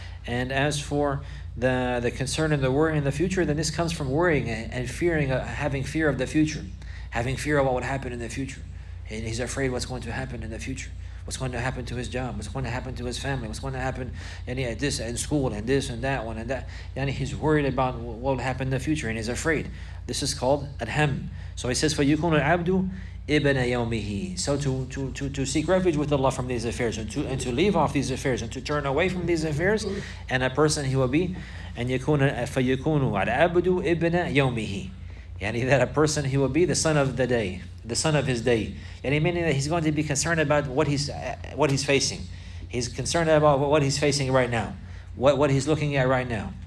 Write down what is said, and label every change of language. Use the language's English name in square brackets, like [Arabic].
[English] And as for the concern and the worry in the future, then this comes from worrying and fearing, having fear of the future, having fear of what would happen in the future. And he's afraid what's going to happen in the future, what's going to happen to his job, what's going to happen to his family, what's going to happen this in school, and this and that one and that. And he's worried about what will happen in the future, and he's afraid. This is called adham. So he says, [Arabic] فَيُكُونُ الْعَبْدُ إِبْنَ يَوْمِهِ. [English] So to seek refuge with Allah from these affairs, and to leave off these affairs, and to turn away from these affairs, and a person he will be, and [Arabic] يَكُونَ فَيُكُونُ الْعَبْدُ إِبْنَ يَوْمِهِ. [English] Yani that a person he will be the son of the day, the son of his day. Yani meaning that he's going to be concerned about what he's facing. He's concerned about what he's facing right now, what he's looking at right now.